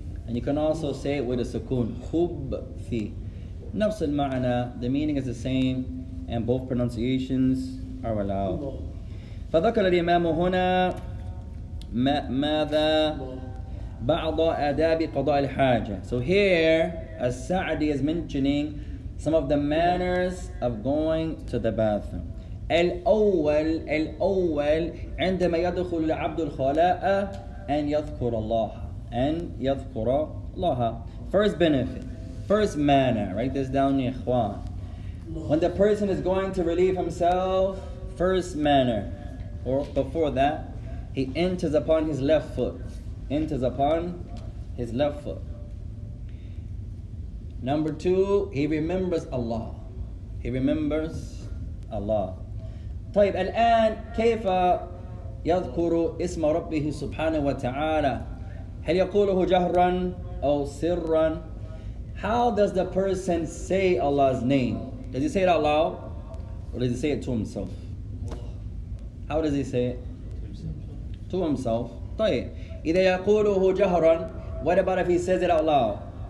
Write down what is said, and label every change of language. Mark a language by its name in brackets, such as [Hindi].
[English] And you can also say it with a sukun, khub fi. [Arabic] Nafs al ma'ana, [English] the meaning is the same, and both pronunciations are allowed. [Arabic] Fadhakar al imamu huna, ma'adha, ba'adha adabi qada' al haja. [English] So here, As-Sa'di is mentioning some of the manners of going to the bathroom. [Arabic] Al-awwal, عندما يدخل العبد الخلاء أن يذكر الله. أن يذكر الله. [English] First benefit, first manner. Write this down, ikhwan. When the person is going to relieve himself, first manner, or before that, he enters upon his left foot. Enters upon his left foot. Number two, he remembers Allah. He remembers Allah. [Arabic] طيب الآن كيف يذكر اسم ربه سبحانه وتعالى؟ هل يقوله جهرا أو سرا؟ [English] How does the person say Allah's name? Does he say it out loud or does he say it to himself? How does he say it? To himself. [Arabic] طيب إذا يقوله جهرا, [English] what about if he says it out loud?